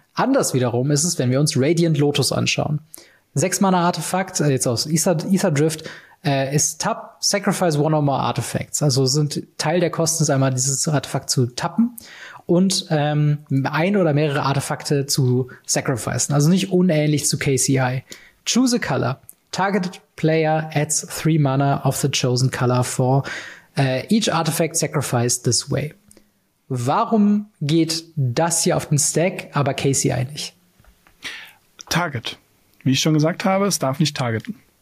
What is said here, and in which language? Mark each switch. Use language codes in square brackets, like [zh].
[de] Anders wiederum ist es, wenn wir uns Radiant Lotus anschauen. 6-Mana-Artefakt, jetzt aus Etherdrift, ist [en] Tap, Sacrifice one or more Artifacts. [de] Also sind Teil der Kosten, ist einmal dieses Artefakt zu tappen und ein oder mehrere Artefakte zu sacrificen. Also nicht unähnlich zu KCI. [en] Choose a color. Targeted player adds 3 Mana of the chosen color for each artifact sacrificed this way. [de] Warum geht das hier auf den Stack, aber KCI nicht? [en] Target. [de] Wie ich schon gesagt habe, es darf nicht targeten.